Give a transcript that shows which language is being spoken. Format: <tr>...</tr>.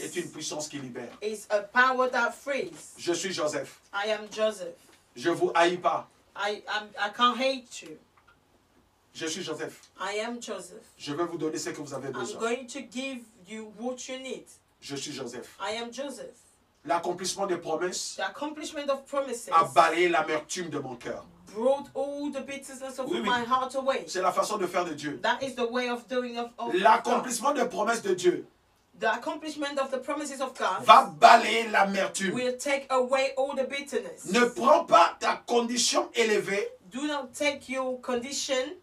<fr>est une puissance qui libère.</fr> <en>Is a power that frees.</en> <fr>Je suis Joseph.</fr> <en>I am Joseph.</en> <fr>Je vous haïs pas.</fr> <en>I can't hate you.</en> <fr>Je suis Joseph.</fr> <en>I am Joseph.</en> <fr>Je vais vous donner ce que vous avez besoin.</fr> <en>I'm going to give you what you need.</en> <fr>Je suis Joseph.</fr> <en>I am Joseph.</en> <fr>L'accomplissement des promesses.</fr> <en>The accomplishment of promises.</en> <fr>A balayé l'amertume de mon cœur.</fr> <en>Brought all the bitterness of my heart away.</en> <fr>C'est la façon de faire de Dieu.</fr> <en>That is the way of doing of</en> <fr>l'accomplissement des promesses de Dieu.</fr> <en>The accomplishment of the promises of God</en> <fr>va balayer l'amertume.</fr> <en>Will take away all the bitterness.</en> <fr>Ne prends pas ta condition élevée.</fr> <en>Do not take your condition</en>